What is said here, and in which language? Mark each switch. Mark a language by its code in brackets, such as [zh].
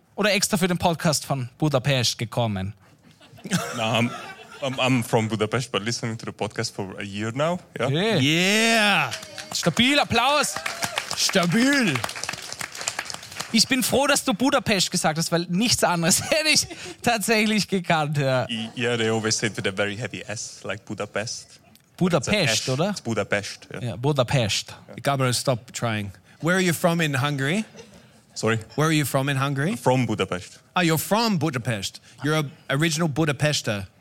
[de] Oder extra für den Podcast von Budapest gekommen? [en] No, I'm from Budapest, but listening to the podcast for a year now. Yeah. Yeah. [de] Stabil, Applaus. Stabil. Ich bin froh, dass du Budapest gesagt hast, weil nichts anderes hätte ich tatsächlich gekannt. Ja. [en] Yeah, they always say it with a very heavy S, like Budapest. [de] Budapest, oder? [en] It's Budapest. Yeah, yeah, Budapest. Yeah. Gabriel, stop trying. Where are you from in Hungary? Sorry? Where are you from in Hungary? From Budapest. Oh, you're from Budapest. You're an original Budapester.